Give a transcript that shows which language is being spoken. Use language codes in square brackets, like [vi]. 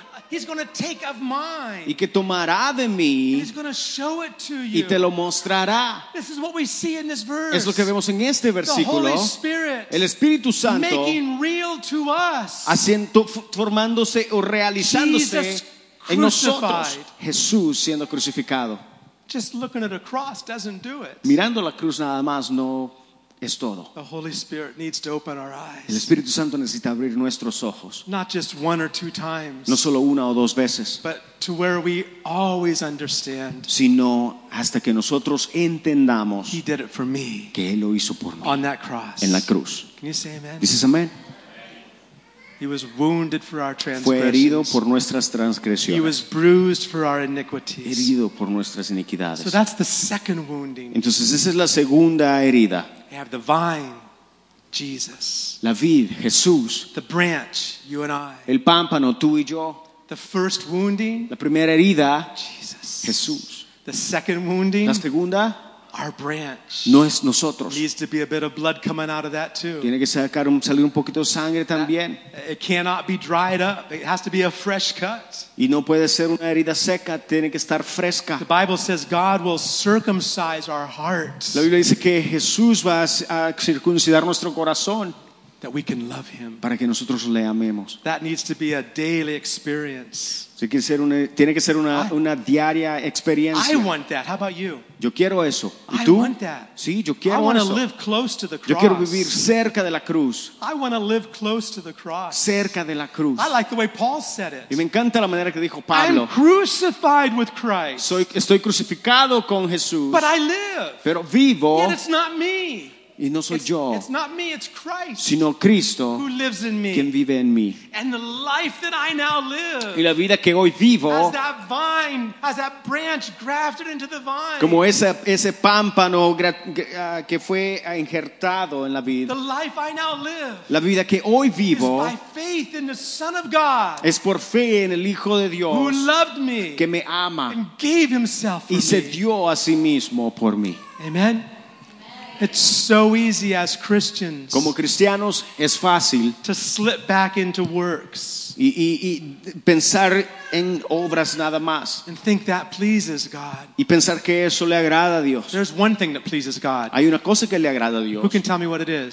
[en] He's going to take of mine. [es] Y que tomará de mí. [en] And he's going to show it to you. [es] Y te lo mostrará. [en] This is what we see in this verse. [es] Es lo que vemos en este versículo. [en] The Holy Spirit. [es] El Espíritu Santo. [en] Making real to us. [es] Haciendo, formándose o realizándose en nosotros. Jesús siendo crucificado. [en] Just looking at a cross doesn't do it. [es] Mirando la cruz nada más no es todo. [en] The Holy Spirit needs to open our eyes. [es] El Espíritu Santo necesita abrir nuestros ojos. [en] Not just one or two times. [es] No solo una o dos veces. [en] But to where we always understand. [es] Sino hasta que nosotros entendamos. [en] He did it for me. [es] Que él lo hizo por mí. [en] On that cross. [es] En la cruz. [en] Can you say amen? [es] Dices amén. [en] He was wounded for our transgressions. [es] Fue herido por nuestras transgresiones. [en] He was bruised for our iniquities. [es] Herido por nuestras iniquidades. [en] So that's the second wounding. [es] Entonces esa es la segunda herida. [en] We have the vine, Jesus. [es] La vid, Jesús. [en] The branch, you and I. [es] El pámpano, tú y yo. [en] The first wounding, [es] la primera herida, [en] Jesus. [es] Jesús. [en] The second wounding, [es] la segunda, [en] our branch. [es] No es nosotros. [en] Needs to be a bit of blood coming out of that too. [es] Tiene que sacar un, salir un poquito de sangre también. [en] It cannot be dried up. It has to be a fresh cut. [es] Y no puede ser una herida seca. Tiene que estar fresca. [en] The Bible says God will circumcise our hearts. [es] La Biblia dice que Jesús va a circuncidar nuestro corazón. [en] That we can love him. [es] Para que nosotros le amemos. [en] That needs to be a daily experience. [es] Tiene que ser una diaria experiencia. [en] I want that. How about you? [es] Yo quiero eso. ¿Y [en] I [es] tú? [en] Want that. [es] Sí, yo quiero [en] I want [es] eso. [en] To live close to the cross. [es] Yo quiero vivir cerca de la cruz. [en] I want to live close to the cross. [es] Cerca de la cruz. [en] I like the way Paul said it. [es] Y me encanta la manera que dijo Pablo. [en] I'm crucified with Christ. [es] Estoy crucificado con Jesús. [en] But I live. [es] Pero vivo. [en] Yet it's not me. [es] Y no soy yo, [en] it's not me, it's Christ, [es] sino Cristo, [en] who lives in me, [es] quien vive en mí. [en] And the life that I now live, [es] y la vida que hoy vivo, [en] as that vine, as that branch grafted into the vine, [es] como ese pámpano que fue injertado en la vid. [en] The life I now live, [es] la vida que hoy vivo, [en] is by faith in the Son of God, [es] es por fe en el Hijo de Dios, [en] who loved me, [es] que me ama, [en] and gave himself for [es] y y se dio a sí mismo por mí. [en] Amen. It's so easy as Christians, [es] como cristianos, es fácil [en] to slip back into works [es] y pensar en obras nada más, [en] and think that pleases God. [es] Y pensar que eso le agrada a Dios. [en] There's one thing that pleases God. [es] Hay una cosa que le agrada a Dios. [en] Who can tell me what it is?